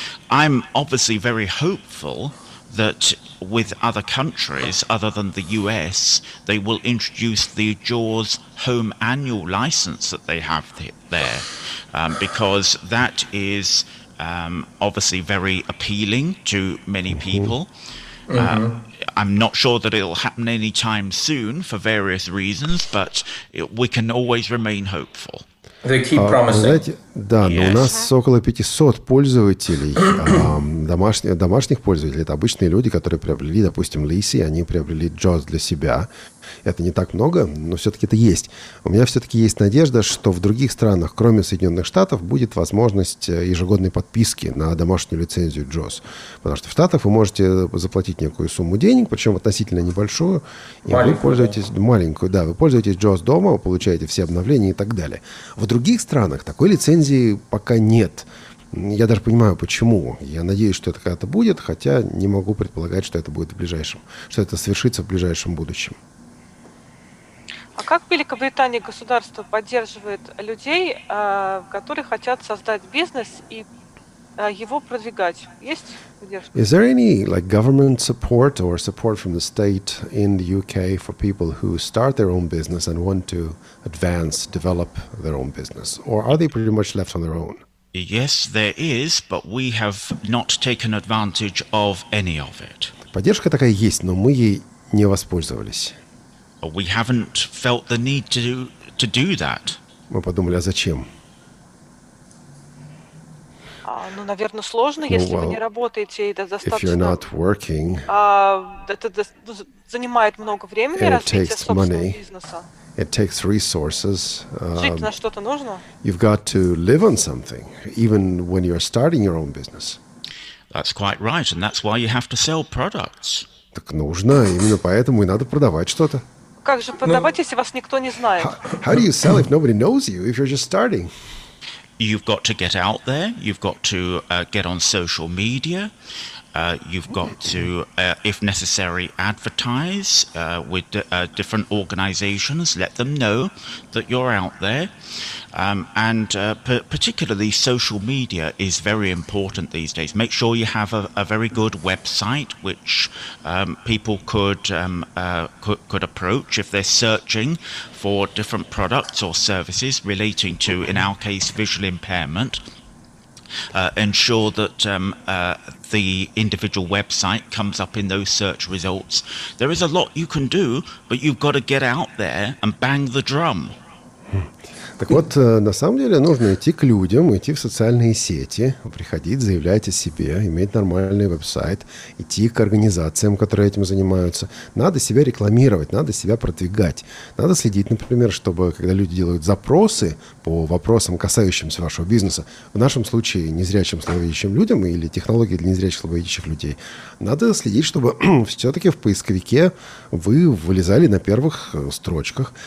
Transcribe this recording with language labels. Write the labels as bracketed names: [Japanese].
[English] I'm obviously very hopeful that with other countries other than the US, they will introduce the JAWS home annual license that they have there, because that is obviously very appealing to many people. I'm not sure that it'll happen anytime soon for various reasons, but we can always remain hopeful. [Russian] Знаете, да, [English] yes. [Russian] Но у нас около 500 пользователей, домашних пользователей. Это обычные люди, которые приобрели, допустим, Lisi, они приобрели JAWS для себя. Это не так много, но все-таки это есть. У меня все-таки есть надежда, что в других странах, кроме Соединенных Штатов, будет возможность ежегодной подписки на домашнюю лицензию JAWS. Потому что в Штатах вы можете заплатить некую сумму денег, причем относительно небольшую, и маленькую, вы пользуетесь, да. Маленькую, да, вы пользуетесь JAWS дома, вы получаете все обновления и так далее. В других странах такой лицензии пока нет. Я даже понимаю, почему. Я надеюсь, что это когда-то будет, хотя не могу предполагать, что это будет в ближайшем, что это свершится в ближайшем будущем. А как в Великобритании государство поддерживает людей, которые хотят создать бизнес и его продвигать? Есть поддержка? [English] Is there any like government support or support from the state in the UK for people who start their own business and want to advance, develop their own business? Or are they pretty much left on their own? Yes, there is, but we have not taken advantage of any of it. [Russian] Поддержка такая есть, но мы ей не воспользовались. [English] We haven't felt the need to do that. [Russian] Мы подумали, а зачем? Ну, наверное, сложно, если вы не работаете, и это достаточно. [English] If you're not working, [Russian] это занимает много времени развития собственного [English] money, [Russian] бизнеса. [English] It takes resources. [Russian] Жить на что-то нужно. [English] You've got to live on something, even when you're starting your own business. That's quite right, and that's why you have to sell products. [Russian] Так нужно, именно поэтому и надо продавать что-то. Как же продавать, если вас никто не знает? [English] How do you sell if nobody knows you, if you're just starting? You've got to get out there. You've got to get on social media. You've got to, if necessary, advertise with different organizations, let them know that you're out there. Particularly social media is very important these days. Make sure you have a very good website which people could approach if they're searching for different products or services relating to, in our case, visual impairment. Ensure that the individual website comes up in those search results. There is a lot you can do, but you've got to get out there and bang the drum. [Russian] Так вот, на самом деле нужно идти к людям, идти в социальные сети, приходить, заявлять о себе, иметь нормальный веб-сайт, идти к организациям, которые этим занимаются. Надо себя рекламировать, надо себя продвигать. Надо следить, например, чтобы, когда люди делают запросы по вопросам, касающимся вашего бизнеса, в нашем случае незрячим слабовидящим людям или технологии для незрячих слабовидящих людей, надо следить, чтобы все-таки в поисковике вы вылезали на первых строчках.